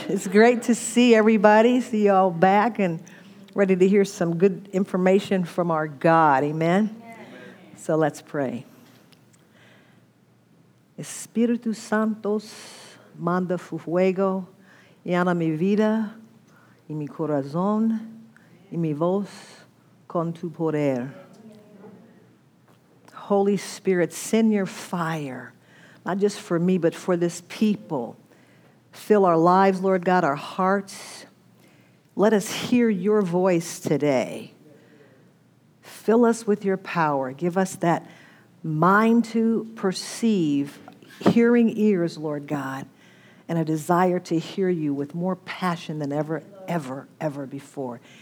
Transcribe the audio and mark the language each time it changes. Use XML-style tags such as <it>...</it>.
<en>It's great to see everybody, see you all back and ready to hear some good information from our God. Amen? Amen. So let's pray.</en> <es>Espíritu Santo, manda fuego y llena mi vida y mi corazón y mi voz con tu poder.</es> <en>Holy Spirit, send your fire. Not just for me, but for this people. Fill our lives, Lord God, our hearts. Let us hear your voice today. Fill us with your power. Give us that mind to perceive, hearing ears, Lord God, and a desire to hear you with more passion than ever, ever, ever before.</en>